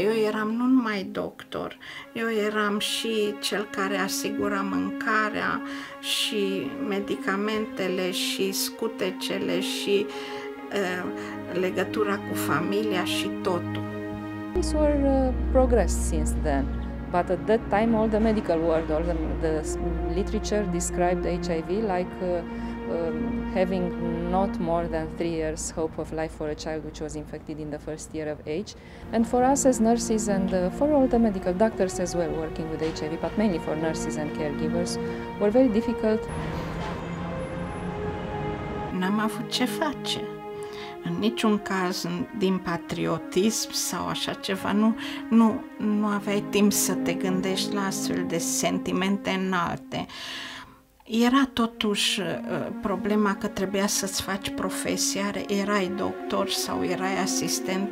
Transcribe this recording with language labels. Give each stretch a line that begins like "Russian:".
Romanian: Eu eram nu numai doctor, eu eram și cel care asigura mâncarea și medicamentele și scutecele și legătura cu familia și totul.
English: Things were progressed since then. But at that time, all the medical world, all the literature described HIV like having not more than 3 years hope of life for a child which was infected in the first year of age. And for us as nurses and for all the medical doctors as well working with HIV, but mainly for nurses and caregivers, were very difficult.
Romanian: N-am avut ce face. În niciun caz din patriotism sau așa ceva, nu aveai timp să te gândești la astfel de sentimente înalte. Era totuși problema că trebuia să-ți faci profesia, erai doctor sau erai asistent.